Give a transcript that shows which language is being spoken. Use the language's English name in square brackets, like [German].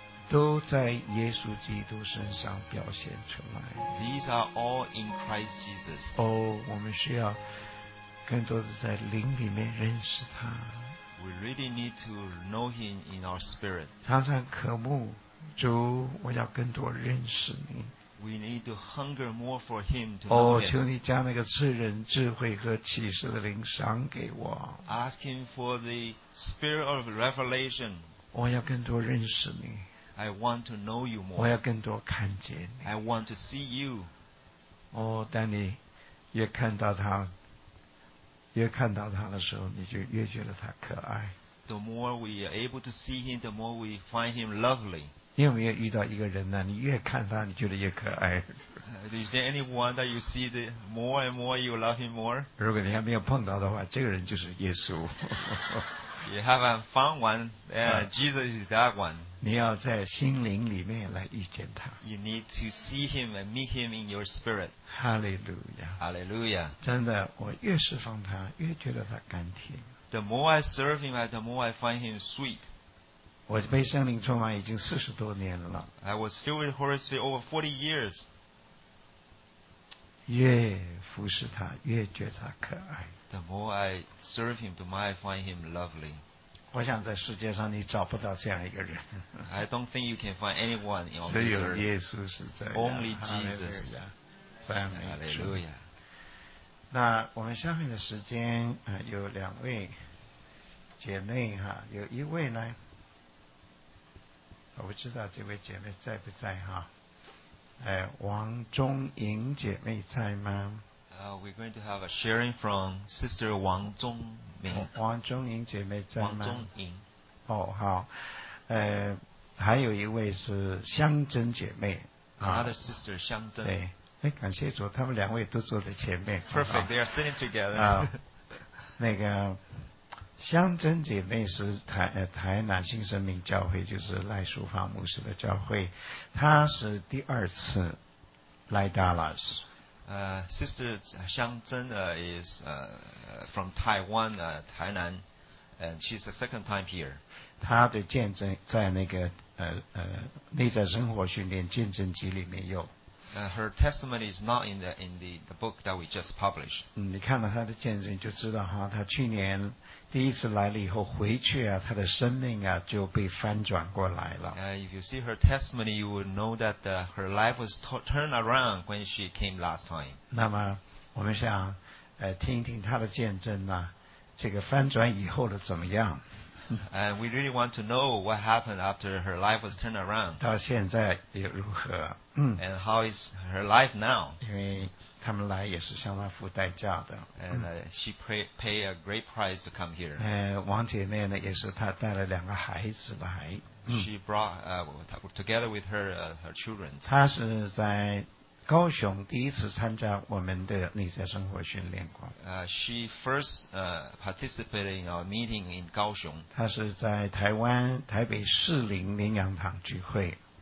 [Chinese] 都在耶稣基督身上表现出来。 [English] These are all in Christ Jesus. [Chinese] 哦、oh, ，我们需要更多的在灵里面认识他。 [English] We really need to know him in our spirit. [Chinese] 常常渴慕主，我要更多认识你。 [English] We need to hunger more for him to know him. [Chinese] 哦，求你将那个赐人智慧和启示的灵赏给我。 [English] Ask him for the spirit of revelation. [Chinese] 我要更多认识你。 [English] I want to know you more. [Chinese] 我要更多看见你。 [English] I want to see you. [Chinese] 哦，当你越看到他，越看到他的时候，你就越觉得他可爱。 [English] The more we are able to see him, the more we find him lovely. [Chinese] 你有没有遇到一个人呢？你越看他，你觉得越可爱。 [English] Is there anyone that you see the more and more you love him more? [Chinese] 如果你还没有碰到的话，这个人就是耶稣。 [English] You haven't found one, Jesus is that one. [Chinese] 你要在心灵里面来遇见他。 [English] You need to see him and meet him in your spirit. Hallelujah. Hallelujah. [Chinese] 真的，我越释放他，越觉得他甘甜。 [English] The more I serve him, the more I find him sweet. [Chinese] 我被圣灵充满已经四十多年了。 [English] I was filled with Holy Spirit over 40 years. [Chinese] 越服侍他，越觉得他可爱。 [English] The more I serve him, the more I find him lovely. [Chinese] 我想在世界上你找不到这样一个人。 [English] I don't think you can find anyone in all [Chinese] this. 只有耶稣是这样。 [English] Only Jesus. Hallelujah. [Chinese] 那我们下面的时间啊、有两位姐妹哈，有一位呢，我不知道这位姐妹在不在哈，王中莹姐妹在吗？ [English] We're going to have a sharing from Sister 王中明。 [Chinese] 王中莹姐妹在吗？王中莹。哦，好，还有一位是香珍姐妹。 [English] Another Sister 香珍。 [Chinese] 对。哎，感谢主，他们两位都坐在前面。 [English] Perfect, they are sitting together. [Chinese] 啊，那个香珍姐妹是台南新生命教会，就是赖淑芳牧师的教会，她是第二次来 Dallas。 [English] Sister 香珍 is from Taiwan, 台南 ，and she's the second time here. [Chinese] 她的见证在那个内在生活训练见证集里面有。 [English] Her testimony is not in the book that we just published. [Chinese] 嗯，你看到她的见证就知道哈，她去年第一次来了以后回去啊，她的生命啊就被翻转过来了。 [English] If you see her testimony, you would know that her life was turned around when she came last time. [Chinese] 那么我们想听一听她的见证呢、啊，这个翻转以后的怎么样？ [English] And we really want to know what happened after her life was turned around. [Chinese] 到现在又如何？嗯。 [English] And how is her life now? [Chinese] 因为他们来也是相当付代价的。 [English] And she pay a great price to come here. [Chinese] 王姐妹呢，也是她带了两个孩子来。 [English] She brought together with her children. [Chinese] 她是在高雄第一次参加我们的内在生活训练过。 [English] She first participated in our meeting in 高雄。 [Chinese] 她是在台湾台北士林灵粮堂聚会。